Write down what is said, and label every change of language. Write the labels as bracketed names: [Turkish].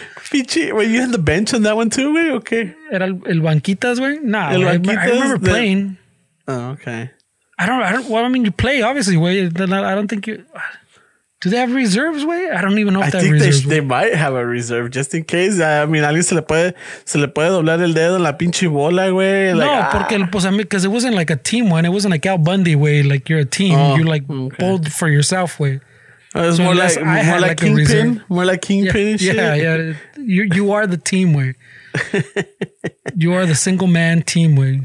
[English] Pichi, were you on the bench on that one too, güey? Okay. [Spanish] Era el banquitas, güey? Nah, el banquitas, [English] I remember playing. Oh, okay. I don't. Well, I mean, you play, obviously, güey. I don't think you... Do they have reserves, güey? I don't even know if they have reserves. They might have a reserve, just in case. I mean, [Spanish] alguien se le puede doblar el dedo en la pinche bola, güey. [English] Like, [Spanish] no, porque [English] because it wasn't like a team one. It wasn't like Al Bundy, güey. Like, you're a team. Oh, you, like, okay. Bowled for yourself, güey. It's so more like Kingpin. More like Kingpin. shit. Yeah. You are the team way. You are the single man team way.